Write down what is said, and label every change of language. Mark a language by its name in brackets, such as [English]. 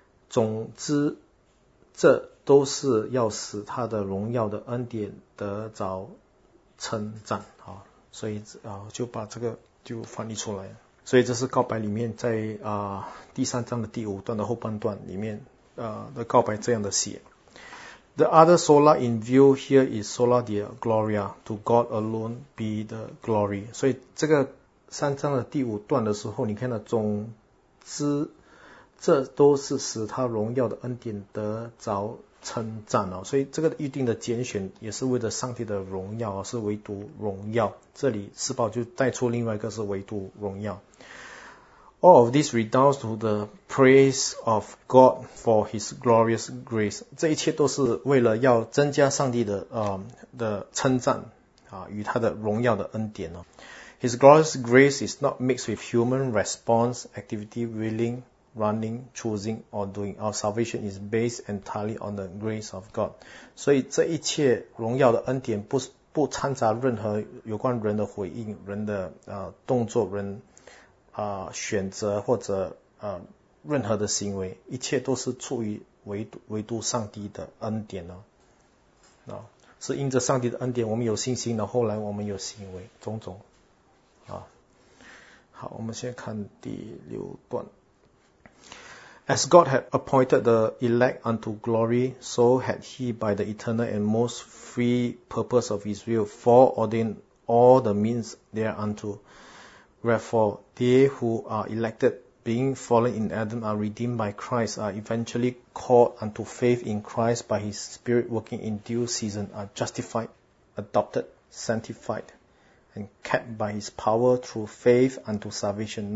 [Chinese] 总之，这都是要使他的荣耀的恩典得着称赞所以就把这个就翻译出来了。所以这是告白里面在第三章的第五段的后半段里面的告白这样的写。 [English] The other sola in view here is sola dea gloria, to God alone be the glory. [Chinese] 所以这个三章的第五段的时候，你看到总之，这都是使他荣耀的恩典得着称赞所以这个预定的拣选也是为了上帝的荣耀是唯独荣耀。这里施宝就带出另外一个是唯独荣耀。 [English] All of this redounds to the praise of God for His glorious grace. [Chinese] 这一切都是为了要增加上帝的称赞与他的荣耀的恩典 [English] His glorious grace is not mixed with human response, activity, willing, running, choosing, or doing. Our salvation is based entirely on the grace of God. [Chinese] 所以这一切荣耀的恩典不掺杂任何有关人的回应、人的动作、人。选择或者任何的行为，一切都是出于唯独上帝的恩典是因着上帝的恩典，我们有信心，然后来我们有行为种种好，我们先看第六段。 [English] As God had appointed the elect unto glory, so had He by the eternal and most free purpose of His will foreordained all the means thereunto. Wherefore, they who are elected being fallen in Adam are redeemed by Christ, are eventually called unto faith in Christ by His Spirit working in due season, are justified, adopted, sanctified, and kept by His power through faith unto salvation.